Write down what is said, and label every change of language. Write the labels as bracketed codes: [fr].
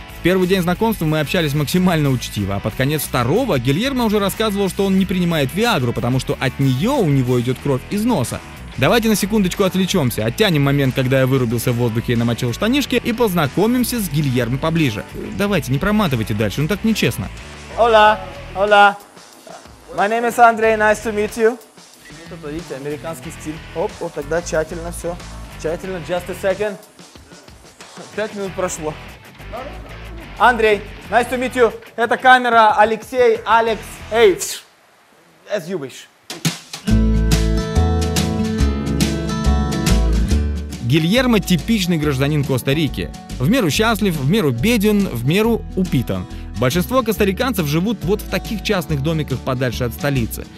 [ru] В первый день знакомства мы общались максимально учтиво, а под конец второго Гильермо уже рассказывал, что он не принимает Виагру, потому что от нее у него идет кровь из носа. Давайте на секундочку отвлечемся, оттянем момент, когда я вырубился в воздухе и намочил штанишки, и познакомимся с Гильермо поближе. Давайте, не проматывайте дальше, ну так нечестно. [es] Hola. [en] My name is Andre, nice to meet you. [ru] Вот, видите, американский стиль. Оп, вот тогда тщательно все. Тщательно, [en] just a second. [ru] 5 минут прошло. [en] Андрей, nice to meet you. [ru] Это камера Алексей, Алекс, эй, [en] as you wish. [ru] Гильермо – типичный гражданин Коста-Рики. В меру счастлив, в меру беден, в меру упитан. Большинство костариканцев живут вот в таких частных домиках подальше от столицы.